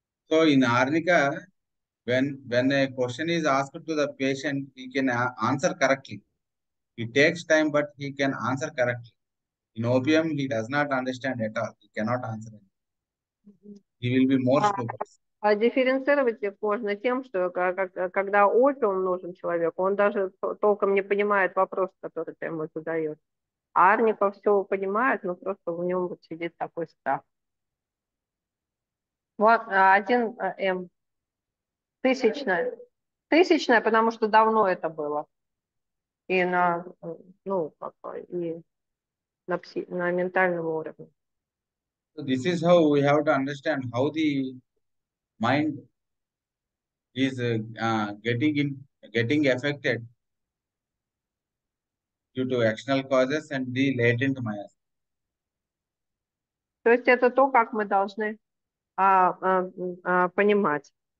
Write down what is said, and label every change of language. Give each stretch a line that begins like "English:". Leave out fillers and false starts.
English: So in Arnica, when a question is asked to the patient, he can answer correctly. He takes time, but he can answer correctly. In opium, he does not understand at all. He cannot answer anything. He will be more stupid.
Russian: А дифференцировать их можно тем, что когда опиум нужен человеку, он даже толком не понимает вопрос, который ты ему задаешь. А Арника все понимает, но просто в нем вот сидит такой страх. Вот, один М. Тысячная. Тысячная, потому что давно это было. И на, ну, и на, пси на ментальном уровне.
English: So this is how we have to understand how the mind is getting affected due to external causes and the latent maya.
Russian: То есть это то, как мы должны понимать.